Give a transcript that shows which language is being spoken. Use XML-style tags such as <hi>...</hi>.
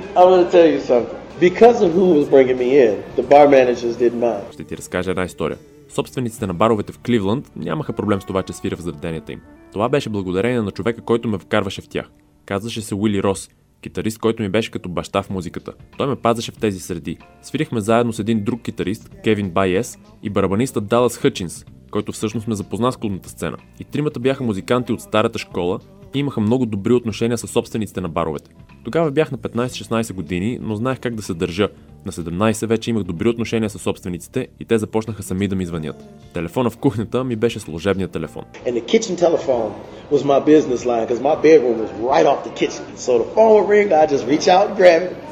<en>I want to tell you something. Because of who was bringing me in, the bar managers didn't mind.</en> <bg>Ще ти разкажа една история. Собствениците на баровете в Кливланд нямаха проблем с това, че свиря в заведенията им. Това беше благодарение на човека, който ме вкарваше в тях. Казваше се Уили Рос, китарист, който ми беше като баща в музиката. Той ме пазеше в тези среди. Свирихме заедно с един друг китарист, Кевин Байес, и барабаниста Далас Хъчинс, който всъщност ме запозна с клубната сцена. И тримата бяха музиканти от старата школа и имаха много добри отношения с собствениците на баровете. Тогава бях на 15-16 години, но знаех как да се държа. На 17 вече имах добри отношения с собствениците и те започнаха сами да ми звънят. Телефона в кухнята ми беше служебният телефон.</bg> <en>And the kitchen telephone was my business line, because my bedroom was right off the kitchen. So the phone would ring, I just reach out and grab it.</en>